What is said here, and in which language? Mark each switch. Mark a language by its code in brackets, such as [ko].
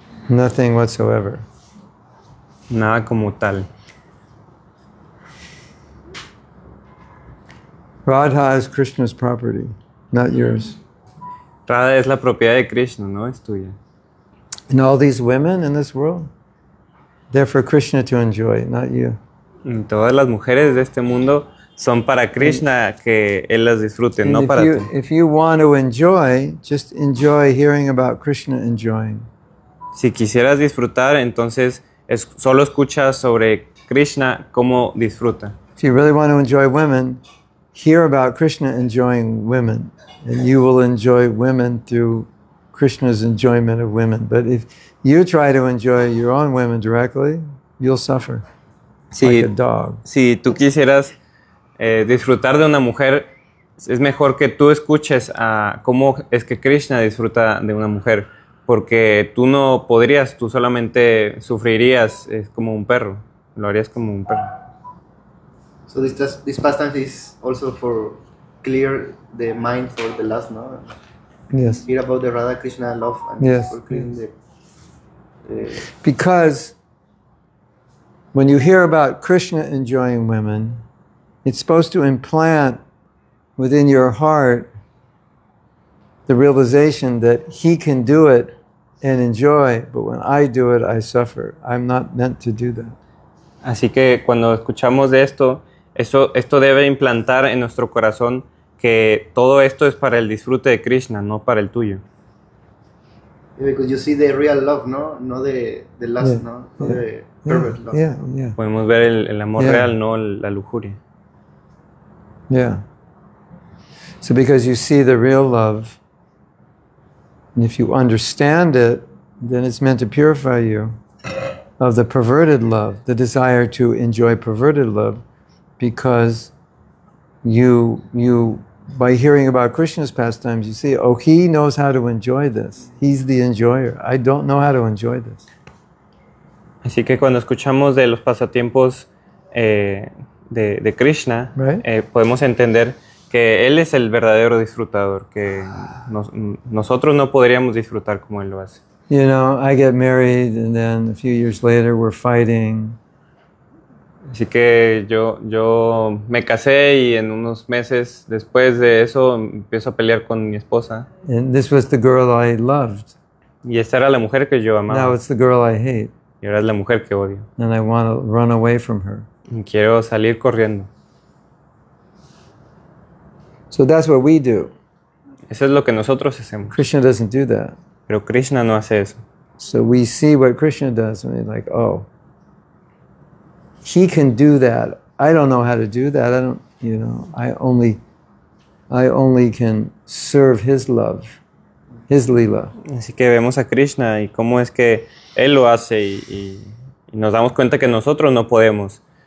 [en] Nothing whatsoever. [es] Nada como tal. [en] Radha is Krishna's property, not yours. [es] Radha es la propiedad de Krishna, no es tuya. [en] And all these women in this world, they're for Krishna to enjoy, not you. [es] Y todas las mujeres de este mundo son para Krishna que él las disfrute, no para ti. [en] If you want to enjoy, just enjoy hearing about Krishna enjoying. [es] Si quisieras disfrutar, entonces solo escucha sobre Krishna cómo disfruta. [en] If you really want to enjoy women, hear about Krishna enjoying women. And you will enjoy women through Krishna's enjoyment of women. But if you try to enjoy your own women directly, you'll suffer like a dog. [es] Si tú quisieras disfrutar de una mujer, es mejor que tú escuches a cómo es que Krishna disfruta de una mujer, porque tú no podrías, tú solamente sufrirías como un perro. Lo harías como un perro. [en] So this pastime is also for clear the mind for the last, no? Yes. Hear about the Radha Krishna love and for clearing Because when you hear about Krishna enjoying women, it's supposed to implant within your heart the realization that he can do it and enjoy, but when I do it, I suffer. I'm not meant to do that. [es] Así que cuando escuchamos de esto, esto debe implantar en nuestro corazón que todo esto es para el disfrute de Krishna, no para el tuyo. [en] Because you see the real love, no? No the lust, no? The perfect love. Yeah, yeah. [es] Podemos ver el amor real, no la lujuria. [en] Yeah. So because you see the real love, and if you understand it, then it's meant to purify you of the perverted love, the desire to enjoy perverted love, because you by hearing about Krishna's pastimes, you see, oh, he knows how to enjoy this. He's the enjoyer. I don't know how to enjoy this. [es] Así que cuando escuchamos de los pasatiempos de Krishna, [en] right? [es] Podemos entender que él es el verdadero disfrutador, que nosotros no podríamos disfrutar como él lo hace. [en] You know, I get married and then a few years later we're fighting. [es] Así que yo me casé y en unos meses después de eso empiezo a pelear con mi esposa. [en] And this was the girl I loved. [es] Y esta era la mujer que yo amaba. [en] Now it's the girl I hate. [es] Y ahora es la mujer que odio. [en] And I want to run away from her. [es] Y quiero salir corriendo. [en] So that's what we do. [es] Eso es lo que nosotros hacemos. [en] Krishna doesn't do that. [es] Pero Krishna no hace eso. [en] So we see what Krishna does and we're like, oh. He can do that. I don't know how to do that. I don't You know, I only can serve his love, his lila. [es] Así que vemos a Krishna y cómo es que él lo hace y nos damos cuenta que nosotros no podemos.